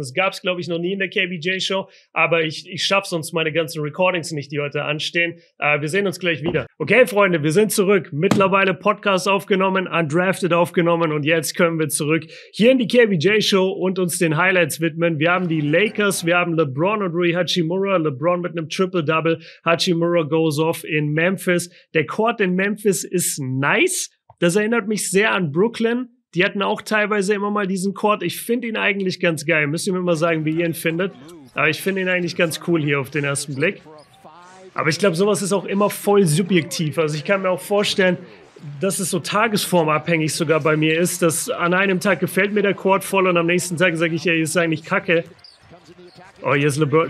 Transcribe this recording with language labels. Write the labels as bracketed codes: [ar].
[de] Das gab's, glaube ich, noch nie in der KBJ-Show, aber ich schaff sonst meine ganzen Recordings nicht, die heute anstehen. Wir sehen uns gleich wieder. Okay, Freunde, wir sind zurück. Mittlerweile Podcast aufgenommen, Undrafted aufgenommen und jetzt können wir zurück hier in die KBJ-Show und uns den Highlights widmen. Wir haben die Lakers, wir haben LeBron und Rui Hachimura. LeBron mit einem Triple-Double. [en] Hachimura goes off in Memphis. [de] Der Court in Memphis ist nice. Das erinnert mich sehr an Brooklyn. Die hatten auch teilweise immer mal diesen Court. Ich finde ihn eigentlich ganz geil. Müsst ihr mir mal sagen, wie ihr ihn findet. Aber ich finde ihn eigentlich ganz cool hier auf den ersten Blick. Aber ich glaube, sowas ist auch immer voll subjektiv. Also ich kann mir auch vorstellen, dass es so tagesformabhängig sogar bei mir ist, dass an einem Tag gefällt mir der Court voll und am nächsten Tag sage ich, ey, ist eigentlich kacke. Oh, hier ist LeBron.